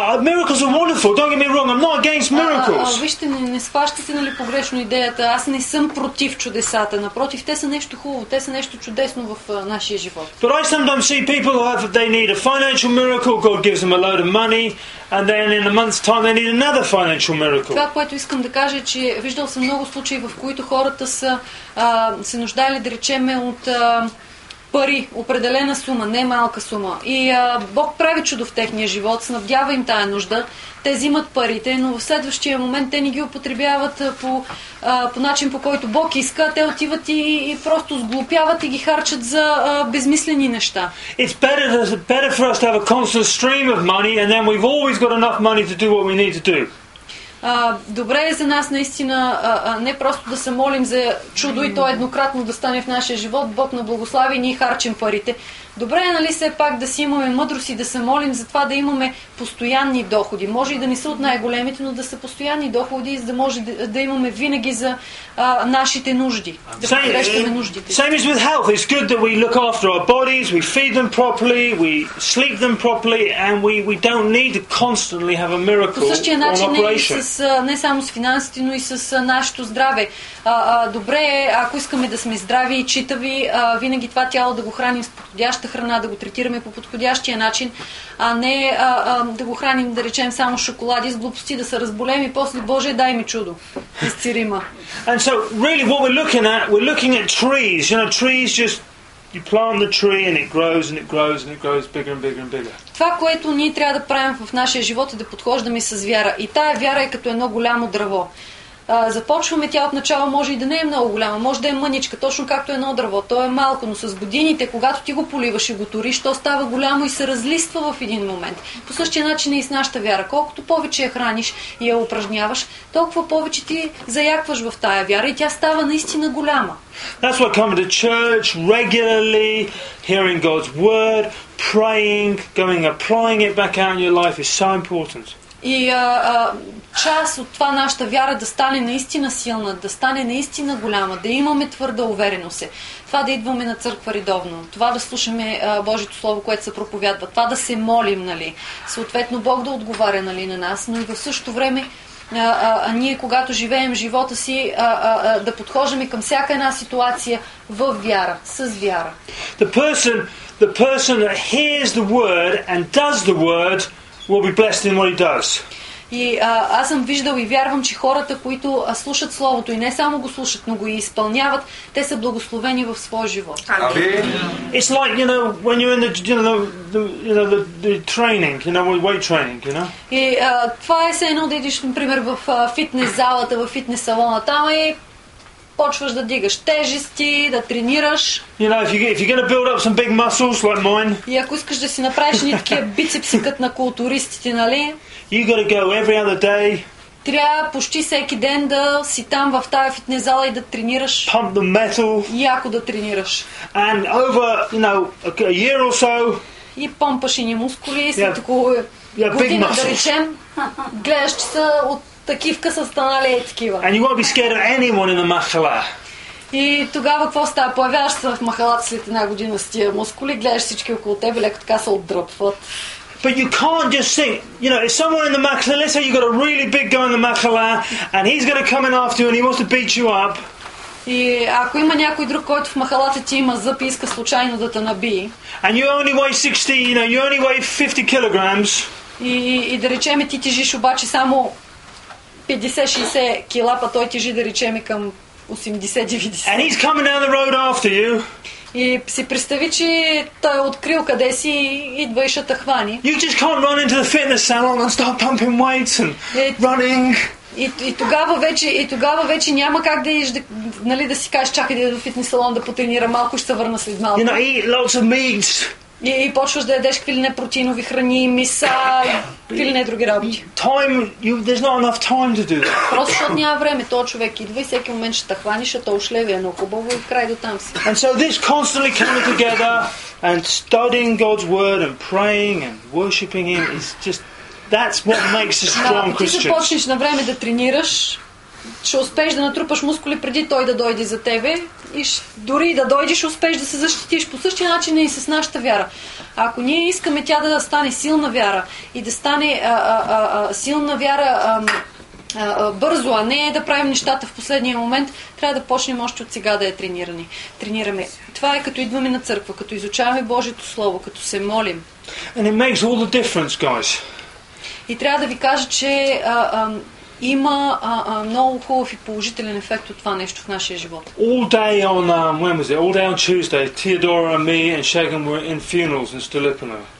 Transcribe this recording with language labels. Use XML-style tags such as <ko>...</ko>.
<en>Miracles are wonderful. Don't get me wrong. I'm not against miracles.</en> <bg>Вижте, не схващате, нали, погрешно идеята. Аз не съм против чудесата. Напротив, те са нещо хубаво. Те са нещо чудесно в нашия живот.</bg> <en>But I sometimes see people who have they need a financial miracle. God gives them a load of money, and then in a month's time they need another financial miracle.</en> <bg>Това, което искам да кажа, че виждал съм много случаи, в които хората са се нуждали, да речем, от пари, определена сума, не малка сума. И Бог прави чудо в техния живот, снабдява им тая нужда. Те взимат парите, но в следващия момент те не ги употребяват по начин, по който Бог иска. Те отиват и просто сглупяват и ги харчат за безмислени неща.</bg> <en>It's better for us to have a constant stream of money and then we've always got enough money to do what we need to do.</en> <bg>Добре е за нас наистина не просто да се молим за чудо и то еднократно да стане в нашия живот, Бог на благослави и ние харчим парите. Добре е, нали, все пак да си имаме мъдрост и да се молим за това да имаме постоянни доходи. Може и да не са от най-големите, но да са постоянни доходи, за да може да, да имаме винаги за нашите нужди. Да покрещаме нуждите.</bg> <en>Same as with health. It's good that we look after our bodies, we feed them properly, we sleep them properly, and we don't need to constantly have a miracle.</en> <bg>По същия начин не, не само с финансите, но и с нашето здраве. Добре е, ако искаме да сме здрави и читави, винаги това тяло да го храним с подходяща храна, да го третираме по подходящия начин, а не да го храним, да речем, само шоколади с глупости, да се разболеем и после, Боже, дай ми чудо. Изцирима.</bg> <en>And so, really, what we're looking at trees. You know, trees just you plant the tree and it grows and it grows and it grows bigger and bigger and bigger.</en> <bg>Това, което ние трябва да правим в нашия живот е да подхождаме с вяра. И тая вяра е като едно голямо дърво. Започваме тя отначало, може и да не е много голяма, може да е мъничка, точно както едно дърво. То е малко, но с годините, когато ти го поливаш и го туриш, то става голямо и се разлиства в един момент. По същия начин е и с нашата вяра. Колкото повече я храниш и я упражняваш, толкова повече ти заякваш в тая вяра и тя става наистина голяма.</bg> <en>That's why coming to church regularly, hearing God's word, praying, going applying it back out in your life is so important.</en> <bg>И част от това нашата вяра да стане наистина силна, да стане наистина голяма, да имаме твърда увереност. Това да идваме на църква редовно, това да слушаме Божието Слово, което се проповядва, това да се молим, нали, съответно Бог да отговаря, нали, на нас, но и в същото време ние, когато живеем живота си, да подхождаме към всяка една ситуация във вяра, с вяра.</bg> <en>The person that hears the word and does the word will be blessed in what he does.</en> <bg>И аз съм виждал и вярвам, че хората, които слушат Словото и не само го слушат, но го и изпълняват, те са благословени в своя живот.</bg> <en>It's like, you know, when you're in the training, you know, weight training, you know.</en> <bg>И това е все едно да идиш, например, в фитнес залата, в фитнес салона. Там е почваш да дигаш тежести, да тренираш.</bg> <en>You know, if you're going to build up some big muscles like mine.</en> <bg>И ако искаш да си направиш ни такива бицепси като на културистите, нали?</bg> <en>You got to go every other day.</en> <bg>Трябва почти всеки ден да си там в тая фитнес зала и да тренираш.</bg> <en>Pump the metal.</en> <bg>Яко да тренираш.</bg> <en>And over, you know, a year or so.</en> <bg>И помпаш и ни мускули, след около година, да речем. Гледаш, че са от такивка са станали и такива.</bg> <en>And you won't be scared of anyone in the махала.</en> <bg>И тогава какво става? Появяваш се в махалата след една година с тия мускули, гледаш всички около тебе, леко така се отдръпват.</bg> <en>But you can't just think, you know, if someone in the махала, let's say you got a really big guy in the махала, and he's going to come in after you and he wants to beat you up.</en> <bg>И ако има някой друг, който в махалата ти има зъб и иска случайно да те наби.</bg> <en>And you only weigh 60, you know, you only weigh 50 kilograms.</en> <bg>И да речем, ти тежиш обаче само 50-60 кила, па той тежи, да речем, към 80-90.</bg> <en>And he's coming down the road after you.</en> <bg>И си представи, че той е открил къде си и идва и шата хвани.</bg> <en>You just can't run into the fitness salon and start pumping weights and running.</en> <bg>И тогава вече няма как да еш, нали, да си кажеш, чакай да идва в фитнес салон да потренира малко, ще се върна след малко.</bg> <en>You know, eat lots of meats.</en> <bg>И почваш да ядеш какви ли не протеинови храни, меса, какви ли не други работи.</bg> <en>Time, there's not enough time to do that.</en> <bg>Просто защото няма време, то човек идва и всеки момент ще те хваниш, а то ушлеви едно хубаво и край до там си.</bg> <en>And so this constantly coming together and studying God's word and praying and worshiping him is just, that's what makes us strong Christians.</en> <bg>Ти започнеш на време да тренираш, ще успееш да натрупаш мускули преди той да дойде за тебе и дори да дойдеш, успееш да се защитиш. По същия начин е и с нашата вяра. Ако ние искаме тя да стане силна вяра и да стане силна вяра бързо, а не да правим нещата в последния момент, трябва да почнем още от сега да я тренираме. Това е като идваме на църква, като изучаваме Божието Слово, като се молим.</bg> <en>And it makes all the difference, guys.</en> <bg>И трябва да ви кажа, че има много хубав и положителен ефект от това нещо в нашия живот.</bg> <en>All day on when was it? All day on Tuesday, Theodora and me and Shagan were in funerals in Stolypino.</en>